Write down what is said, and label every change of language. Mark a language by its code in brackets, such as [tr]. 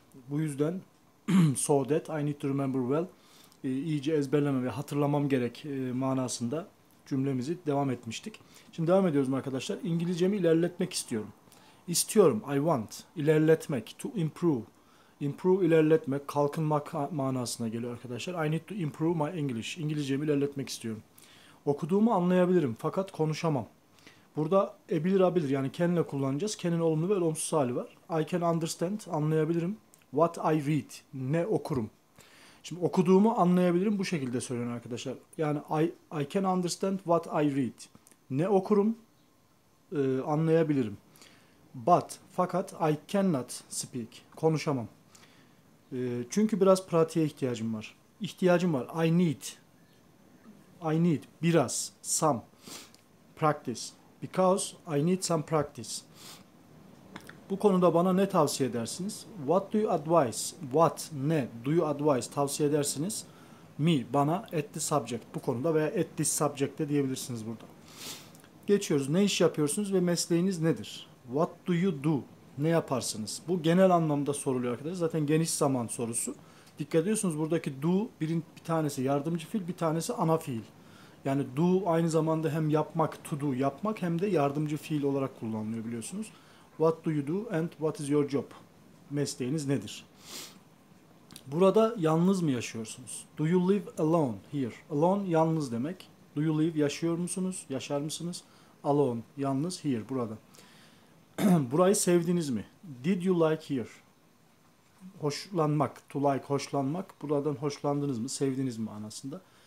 [tr] Bu yüzden [en] so that I need to remember well. [tr] İyice ezberlemem ve hatırlamam gerek manasında cümlemizi devam etmiştik. Şimdi devam ediyoruz arkadaşlar. İngilizcemi ilerletmek istiyorum. İstiyorum. [en] I want. [tr] İlerletmek. [en] To improve. [tr] Improve ilerletmek, kalkınmak manasına geliyor arkadaşlar. [en] I need to improve my English. [tr] İngilizcemi ilerletmek istiyorum. Okuduğumu anlayabilirim fakat konuşamam. Burada ebilir yani kendine kullanacağız. Kendin olumlu ve olumsuz hali var. [en] I can understand. [tr] Anlayabilirim. [en] What I read. [tr] Ne okurum. Şimdi okuduğumu anlayabilirim, bu şekilde söylüyorum arkadaşlar. [en] Yani I can understand what I read. [tr] Ne okurum? Anlayabilirim. Fakat [en] I cannot speak. [tr] Konuşamam. Çünkü biraz pratiğe ihtiyacım var. İhtiyacım var. [en] I need [tr] biraz, [en] some practice. Because I need some practice. [tr] Bu konuda bana ne tavsiye edersiniz? [en] What do you advise? What, ne? Do you advise? [tr] Tavsiye edersiniz. [en] Me, [tr] bana, [en] at the subject. [tr] Bu konuda veya [en] at this subject [tr] de diyebilirsiniz burada. Geçiyoruz. Ne iş yapıyorsunuz ve mesleğiniz nedir? [en] What do you do? [tr] Ne yaparsınız? Bu genel anlamda soruluyor arkadaşlar. Zaten geniş zaman sorusu. Dikkat ediyorsunuz, buradaki do bir tanesi yardımcı fiil, bir tanesi ana fiil. Yani do aynı zamanda hem yapmak, to do yapmak, hem de yardımcı fiil olarak kullanılıyor biliyorsunuz. [en] What do you do and what is your job? [tr] Mesleğiniz nedir? Burada yalnız mı yaşıyorsunuz? [en] Do you live alone here? [tr] Alone yalnız demek. [en] Do you live, [tr] yaşıyor musunuz? Yaşar mısınız? Alone yalnız, here burada. Burayı sevdiniz mi? [en] Did you like here? [tr] Hoşlanmak, [en] to like, [tr] hoşlanmak. Buradan hoşlandınız mı, sevdiniz mi anlasında.